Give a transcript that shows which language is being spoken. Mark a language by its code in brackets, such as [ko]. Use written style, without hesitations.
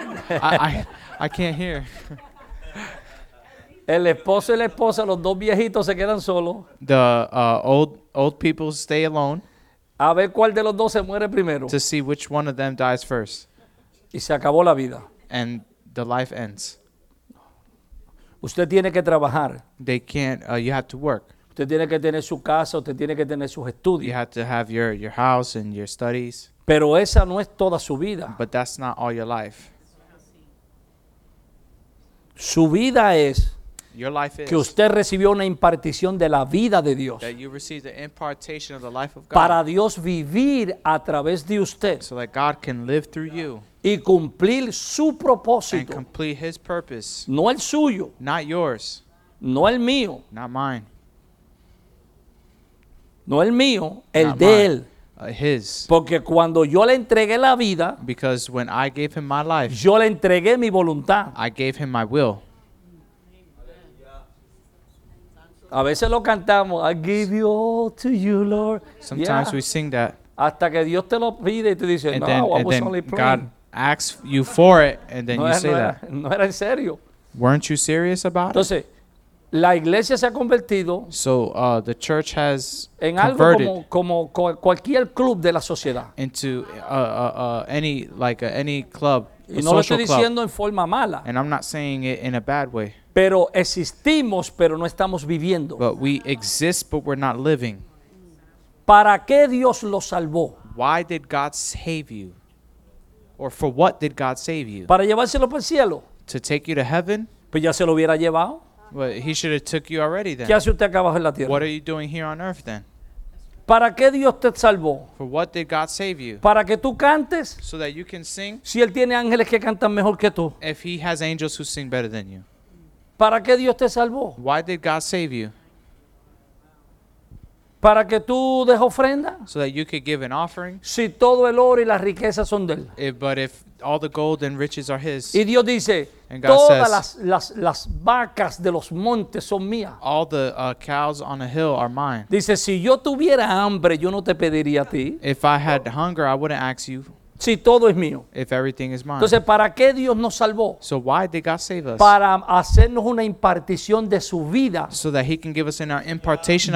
[en] I can't hear. [es] El esposo y la esposa, los dos viejitos se quedan solos. [en] The old people stay alone. [es] A ver cuál de los dos se muere primero. [en] To see which one of them dies first. [es] Y se acabó la vida. [en] And the life ends. [es] Usted tiene que trabajar. [en] They can't. You have to work. [es] Usted tiene que tener su casa, usted tiene que tener sus estudios. [en] You have to have your house and your studies. [es] Pero esa no es toda su vida. [en] But that's not all your life. [es] Su vida es [en] your life is [es] que usted recibió una impartición de la vida de Dios. [en] That you received the impartation of the life of God. [es] Para Dios vivir a través de usted. [en] So that God can live through you. [es] Y cumplir su propósito. [en] And complete his purpose. [es] No el suyo. [en] Not yours. [es] No el mío. [en] Not mine. [es] No el mío, el de él. [en] His. [es] Porque cuando yo le entregué la vida, [en] because when I gave him my life, [es] yo le entregué mi voluntad. [en] I gave him my will. [es] A veces lo cantamos, [en] I give you all to you, Lord. Sometimes we sing that. [es] Hasta que Dios te lo pide y te dice, [en] and [es] no, [en] then, I was then only praying. God asks you for it, and then you say that. [es] No era en serio. [en] Weren't you serious about [es] entonces, [en] it? [es] La iglesia se ha convertido [en] so, the church has [es] en algo como cualquier club de la sociedad. [en] Into any like any club, [es] y no lo estoy diciendo en forma mala. [en] And I'm not saying it in a bad way. [es] Pero existimos, pero no estamos viviendo. [en] But we exist, but we're not living. [es] ¿Para qué Dios lo salvó? [en] Why did God save you? Or for what did God save you? [es] Para llevárselo para el cielo. [en] To take you to heaven. [es] Pues ya se lo hubiera llevado. [en] Well, he should have took you already then. [es] ¿Qué hace usted acá abajo en la tierra? [en] What are you doing here on earth then? [es] ¿Para qué Dios te salvó? [en] For what did God save you? [es] ¿Para que tú cantes? [en] So that you can sing. [es] Si él tiene ángeles que cantan mejor que tú. [en] If he has angels who sing better than you. [es] ¿Para qué Dios te salvó? [en] Why did God save you? [es] ¿Para que tú des ofrenda? [en] So that you could give an offering. [es] Si todo el oro y las riquezas son de él. [en] But if all the gold and riches are his. [es] Y Dios dice, [en] and God [es] todas [en] says, [es] las vacas de los montes son mías. [en] All the cows on a hill are mine. [es] Dice, si yo tuviera hambre, yo no te pediría a ti. [en] If I had hunger, I wouldn't ask you. [es] Si todo es mío. [en] If everything is mine. [es] Entonces, ¿para qué Dios nos salvó? [en] So why did God save us? [es] Para hacernos una impartición de su vida. [en] So that he can give us an impartation